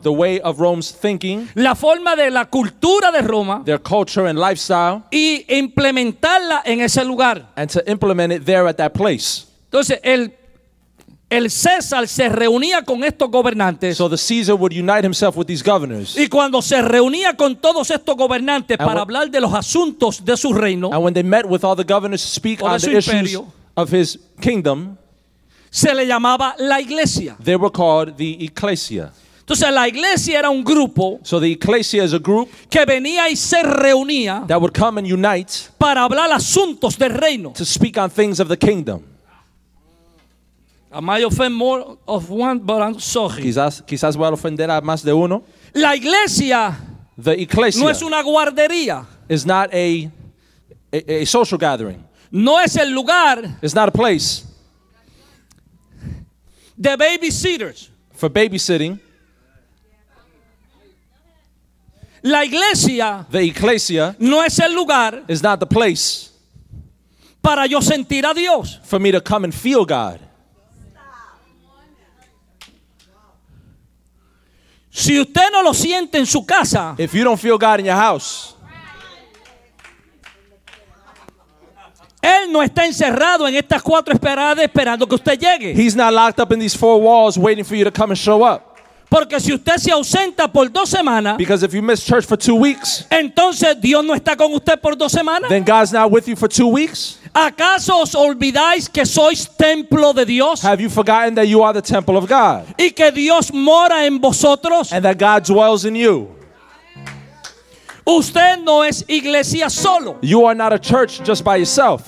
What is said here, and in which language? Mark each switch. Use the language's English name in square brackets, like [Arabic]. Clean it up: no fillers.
[English] the way of Rome's thinking, [Spanish] la forma de la cultura de Roma, [English] their culture and lifestyle, [Spanish] y implementarla en ese lugar, [English] and to implement it there at that place. [Spanish] Entonces el César se reunía con estos gobernantes. [English] So the Caesar would unite himself with these governors. [Spanish] Y cuando se reunía con todos estos gobernantes para hablar de los asuntos de su reino, [English] and when they met with all the governors to speak on the issues of his kingdom, [Spanish] se le llamaba la iglesia. [English] They were called the ecclesia. [Spanish] Entonces la iglesia era un grupo, [English] so the ecclesia is a group, [Spanish] que venía y se reunía, [English] that would come and unite, [Spanish] para hablar asuntos del reino, [English] to speak on things of the kingdom. I might offend more of one, but I'm sorry. [Spanish] Quizás voy a ofender a más de uno. La iglesia, [English] the ecclesia, [Spanish] no es una guardería. [English] Is not a social gathering. [Spanish] No es el lugar. [English] It's not a place. The babysitters. For babysitting. [Spanish] La iglesia, [English] the ecclesia, [Spanish] no es el lugar. [English] Is not the place. [Spanish] Para yo sentir a Dios. [English] For me to come and feel God. [Spanish] Si usted no lo siente en su casa, [English] if you don't feel God in your house, [Spanish] él no está encerrado en estas cuatro paredes esperando que usted llegue. [English] He's not locked up in these four walls waiting for you to come and show up. [Spanish] Porque si usted se ausenta por dos semanas, [English] because if you miss church for 2 weeks, [Spanish] entonces Dios no está con usted por dos semanas. [English] Then God's not with you for 2 weeks. [Spanish] ¿Acaso os olvidáis que sois templo de Dios? [English] Have you forgotten that you are the temple of God? [Spanish] Y que Dios mora en vosotros. [English] And that God dwells in you. [Spanish] Usted no es iglesia solo. [English] You are not a church just by yourself.